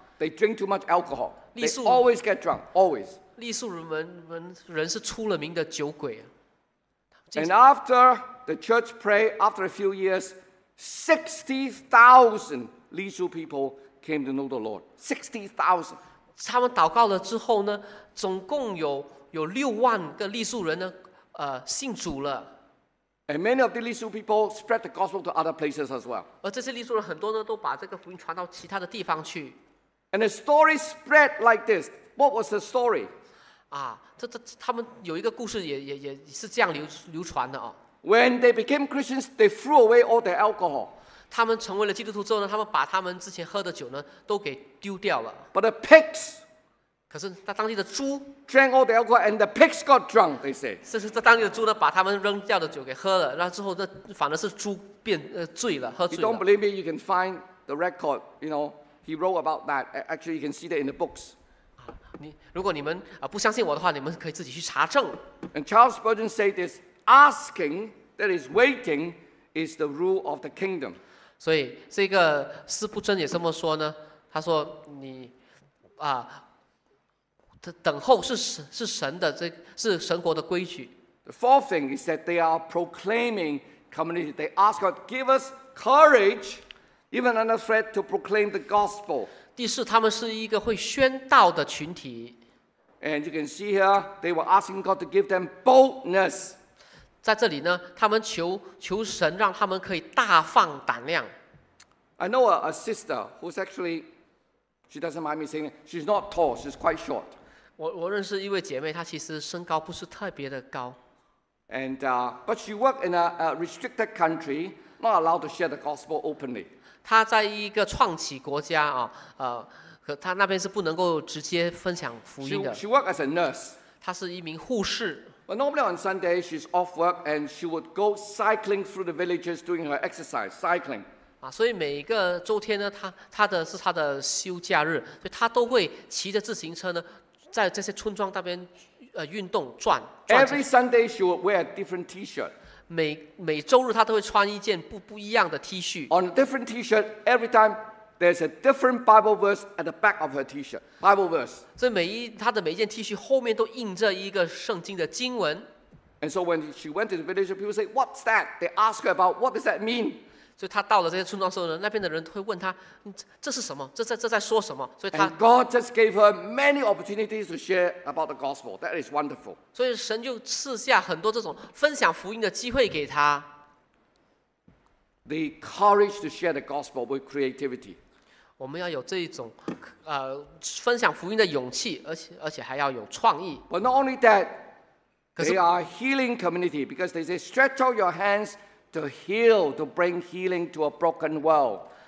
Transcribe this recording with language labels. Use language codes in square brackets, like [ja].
[en] They drink too much alcohol. They always get drunk. Always. [zh] 傈僳人是出了名的酒鬼。 [en] And after the church pray, after a few years. 60,000 Lee Su people came to know the Lord. 60,000. [zh] 他们祷告了之后呢，总共有六万个傈僳人呢，信主了。 [en] And many of the Lee Su people spread the gospel to other places as well. [zh] 而这些傈僳人很多呢，都把这个福音传到其他的地方去。 [en] And the story spread like this. What was the story? [zh] 啊，这他们有一个故事也是这样流传的哦。 [en] When they became Christians, they threw away all their alcohol. [zh] 他们成为了基督徒之后呢，他们把他们之前喝的酒呢都给丢掉了。 [en] But the pigs, [zh] 可是在当地的猪 [en] drank all the alcohol, and the pigs got drunk. They say, [zh] 是在当地的猪呢把他们扔掉的酒给喝了，然后之后呢反而是猪变醉了，喝醉了。 [en] You don't believe me? You can find the record. You know, he wrote about that. Actually, you can see that in the books. [zh] 如果你们不相信我的话，你们可以自己去查证。 [en] And Charles Spurgeon said this. Asking, that is waiting, is the rule of the kingdom. [zh] 所以这个斯布珍也这么说呢，他说你等候是神的，这是神国的规矩。 [en] The fourth thing is that they are proclaiming community. They ask God, give us courage, even under threat, to proclaim the gospel. [zh] 第四，他们是一个会宣道的群体。 [en] And you can see here, they were asking God to give them boldness. [zh] 在这里呢，他们求神让他们可以大放胆量。 [en] I know a sister who's actually, she doesn't mind me saying, she's not tall, she's quite short. [zh] 我认识一位姐妹，她其实身高不是特别的高。 [en] And but she worked in a restricted country, not allowed to share the gospel openly. [zh] 她在一个创企国家啊，她那边是不能够直接分享福音的。 [en] She worked as a nurse. [zh] 她是一名护士。 [en] But normally on Sunday, she's off work and she would go cycling through the villages doing her exercise, cycling. [zh] 所以每个周天呢，是她的休假日，所以她都会骑着自行车呢，在这些村庄那边运动转。 [en] Every Sunday, she would wear a different T-shirt. [zh] 每周日她都会穿一件不一样的 T 恤。 [en] On a different T-shirt, every time. There's a different Bible verse at the back of her T-shirt. Bible verse. [zh] 所以她的每一件 T 恤后面都印着一个圣经的经文。 [en] And so when she went to the village, people say, "What's that?" They ask her about what does that mean. [zh] 所以她到了这些村庄的时候，那边的人会问她，这是什么？这在说什么？所以她。 [en] And God just gave her many opportunities to share about the gospel. That is wonderful. [zh] 所以神就赐下很多这种分享福音的机会给她。 [en] The courage to share the gospel with creativity. [zh] 我们要有这一种，分享福音的勇气，而且还要有创意。 [en] But not only that. They are healing community because they say, "Stretch out your hands to heal, to bring healing to a broken world."